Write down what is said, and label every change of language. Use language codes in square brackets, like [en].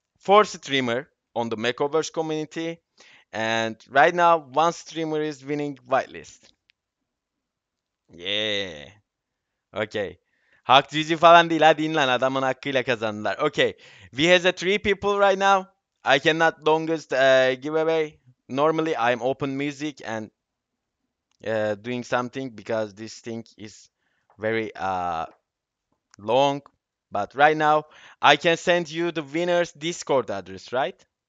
[en] Four streamer on the Mekoverse community and right now one streamer is winning whitelist. Yeah. Okay. [tr] Hak cici falan değil, hadi in lan, adamın hakkıyla kazandılar. [en] Okay. We have three people right now. I cannot longest giveaway. Normally I'm open music and doing something because this thing is very long. But right now, I can send you the winner's Discord address, right?